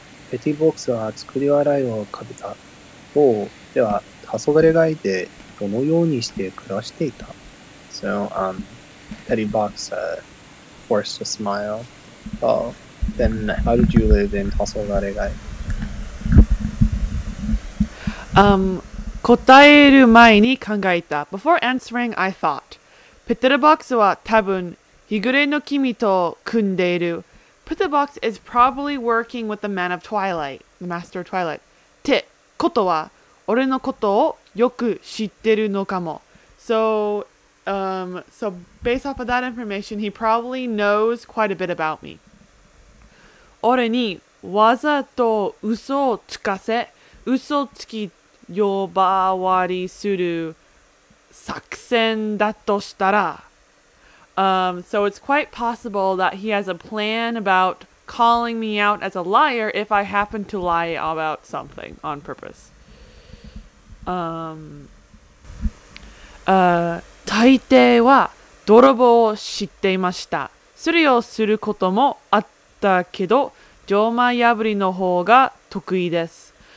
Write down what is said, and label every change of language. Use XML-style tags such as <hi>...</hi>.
<ja>ペティボックスは作り笑いをかけた。おう、では、黄昏がいてどのようにして暮らしていた。</ja> <en>So, Petty Box forced a smile. Oh, then how did you live in 黄昏がい？</en> <ja>答える前に考えた。</ja> <en>Before answering, I thought.</en> <ja>ペティボックスは多分、日暮れの君と組んでいる。</ja> <en>Pitterbox is probably working with the man of Twilight, the master of Twilight.</en> <ja>てことは、俺のことをよく知ってるのかも。</ja> <en>So based off of that information, he probably knows quite a bit about me.</en> <ja>俺にわざと嘘をつかせ、嘘つき呼ばわりする作戦だとしたら、</ja> <en>So it's quite possible that he has a plan about calling me out as a liar if I happen to lie about something on purpose.</en> <ja>大抵は泥棒を知っていました。スリをすることもあったけど、錠前破りの方が得意です。</ja>